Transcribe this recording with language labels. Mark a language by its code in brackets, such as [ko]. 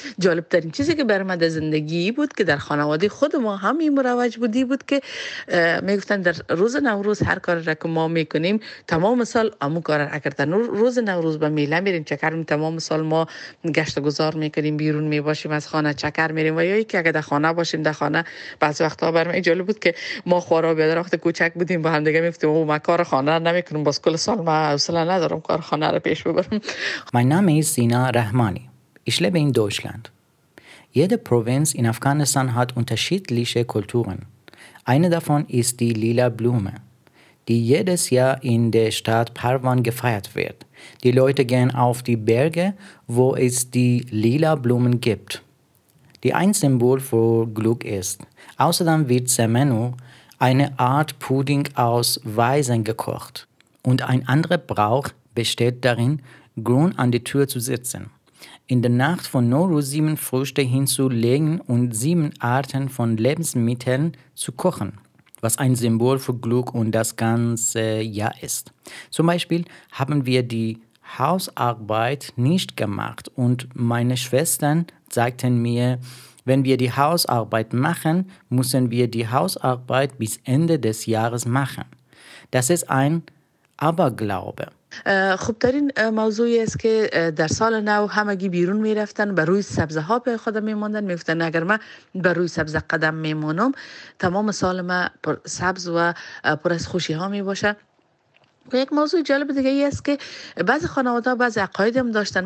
[fa] جالب ترین چیزی که برام در زندگی بود که در خانواده خود ما هم این مروج بودی بود که میگفتن در روز نوروز هر کاری را که ما میکنیم تمام سال همون کار را اگر در روز نوروز به میله میریم چکر میریم تمام سال ما گشت و گذار میکنیم، بیرون میباشیم از خانه چکر میریم. و یا ای که اگر در خانه باشیم در خانه بعضی وقتا برام جالب بود که ما خواهر و برادر وقت کوچک بودیم با هم دیگه میگفتیم ما کار خانه را نمیکنیم، باز کل سال ما اصلا ندارم کار خانه را پیش ببرم. [en] My name is Sina Rahmani. [de] Ich lebe in Deutschland. Jede Provinz in Afghanistan hat unterschiedliche Kulturen. Eine davon ist die lila Blume, die jedes Jahr in der Stadt Parwan gefeiert wird. Die Leute gehen auf die Berge, wo es die lila Blumen gibt. die ein Symbol für Glück ist. Außerdem wird Semenu, eine Art Pudding aus Weizen, gekocht. Und ein anderer Brauch besteht darin, grün an die Tür zu setzen, in der Nacht von Nowruz 7 Früchte hinzulegen und 7 Arten von Lebensmitteln zu kochen, was ein Symbol für Glück und das ganze Jahr ist. Zum Beispiel haben wir die Hausarbeit nicht gemacht und meine Schwestern sagten mir, wenn wir die Hausarbeit machen, müssen wir die Hausarbeit bis Ende des Jahres machen. Das ist ein Aberglaube. [fa] خب ترین موضوعی است که در سال نو همگی بیرون می رفتن بر روی سبزه ها پی خود می ماندن می گفتن اگر من بر روی سبزه قدم می مانم تمام سال من پر سبز و پر از خوشی ها می باشه. یک موضوع جالب دیگه ای است که بعضی خانواده ها بعضی عقاید هم داشتن.